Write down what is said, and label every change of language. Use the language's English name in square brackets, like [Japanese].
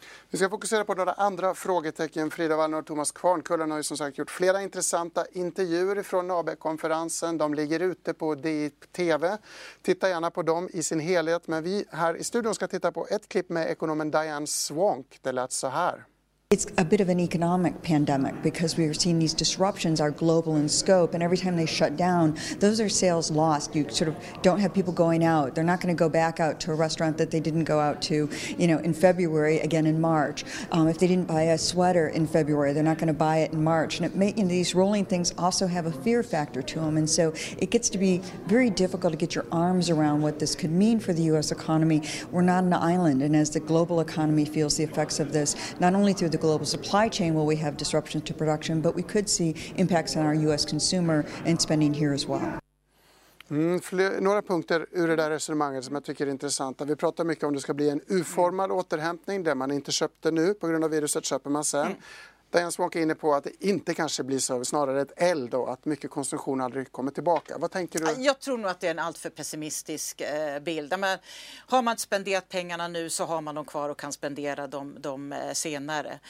[Swedish] Vi ska fokusera på några andra frågetecken. Frida Wallner och Thomas Kvarnkullen har ju som sagt gjort flera intressanta intervjuer från NAB-konferensen. De ligger ute på DI-TV. Titta gärna på dem i sin helhet. Men vi här i studion ska titta på ett klipp med ekonomen Diane Swonk. Det lät så här. [English] It's a bit of an economic pandemic because we are seeing these disruptions are global in scope, and every time they shut down, those are sales lost. You sort of don't have people going out. They're not going to go back out to a restaurant that they didn't go out to, you know, in February, again in March. If they didn't buy a sweater in February, they're not going to buy it in March. And it may, you know, these rolling things also have a fear factor to them, and so it gets to be very difficult to get your arms around what this could mean for the U.S. economy. We're not an island, and as the global economy feels the effects of this, not only through the global supply chain will we have disruptions to production, but we could see impacts on our US consumer and spending here as well. [Swedish] Några punkter ur det där resonemanget som jag tycker är intressanta. Vi pratar mycket om det ska bli en U-formad återhämtning där man inte köpte nu på grund av viruset köper man sen. Diane Swonk är inne på att det inte kanske blir så, snarare ett L då, att mycket konsumtion aldrig kommer tillbaka. Vad tänker du? Jag tror nog att det är en alltför pessimistisk bild. Men har man spenderat pengarna nu så har man dem kvar och kan spendera dem senare.